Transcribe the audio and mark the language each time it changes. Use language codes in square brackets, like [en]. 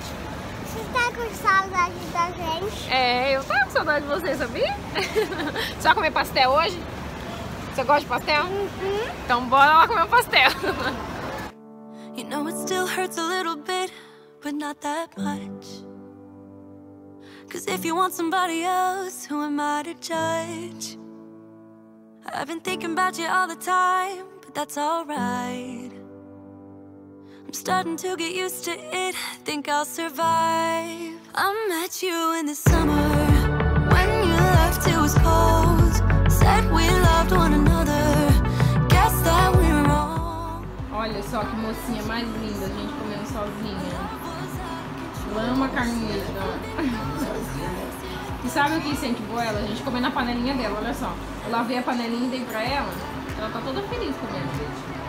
[pt] Você tá com saudade da gente? É, eu tava com saudade de você, sabia? Você vai comer pastel hoje? Você gosta de pastel? Uh-huh. Então bora lá comer um pastel. [en] You know it still hurts a little bit, but not that much. Cause if you want somebody else, who am I to judge? I've been thinking about you all the time, but that's alright. I'm starting to get used to it, think I'll survive. I met you in the summer, when you left it was cold. Said we loved one another, guess that we were wrong. [pt] Olha só que mocinha mais linda, a gente comendo sozinha. Lama carneira. E sabe o que sente boa ela? A gente comendo na panelinha dela, olha só. Eu lavei a panelinha e dei pra ela, ela tá toda feliz comendo, gente.